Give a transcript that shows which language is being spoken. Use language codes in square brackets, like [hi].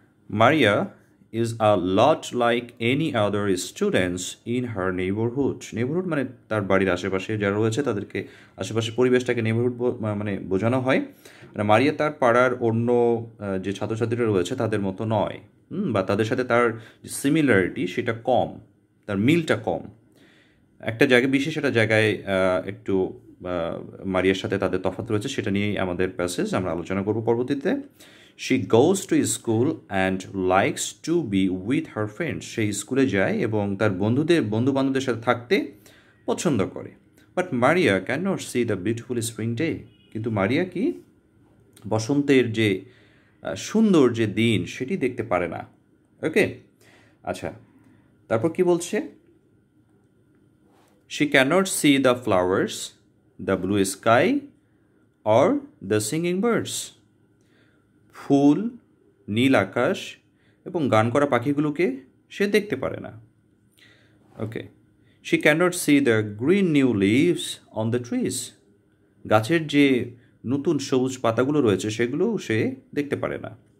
[en] Maria is a lot like any other students in her neighbourhood, [bn] neighbourhood মানে তার বাড়ির আশেপাশে যারা রয়েছে তাদেরকে আশেপাশের পরিবেশটাকে নেইবারহুড মানে বোঝানো হয়, মানে মারিয়া তার পাড়ার অন্য যে ছাত্রছাত্রীরা রয়েছে তাদের মতো নয়, বা তাদের সাথে তার সিমিলারিটি সেটা কম, তার মিলটা কম, একটা জায়গায় বিশেষ একটা জায়গায় একটু মারিয়ার সাথে তাদের তফাত রয়েছে, সেটা নিয়েই আমাদের প্যাসেজ, আমরা আলোচনা করবো পরবর্তীতে। [en] She goes to school and likes to be with her friends. [bn] She স্কুলে যায় এবং তার বন্ধুদের বন্ধু বান্ধবদের সাথে থাকতে পছন্দ করে। [en] But Maria cannot see the beautiful spring day. [bn] কিন্তু মারিয়া কি বসন্তের যে সুন্দর যে দিন সেটি দেখতে পারে না। ওকে, আচ্ছা, তারপর কি বলছে, [en] She cannot see the flowers, the blue sky or the singing birds. [bn] ফুল, নীল আকাশ এবং গান করা পাখিগুলোকে সে দেখতে পারে না। [en] okay, she cannot see the green new leaves on the trees, [bn] গাছের যে নতুন সবুজ পাতাগুলো রয়েছে সেগুলো সে দেখতে পারে না।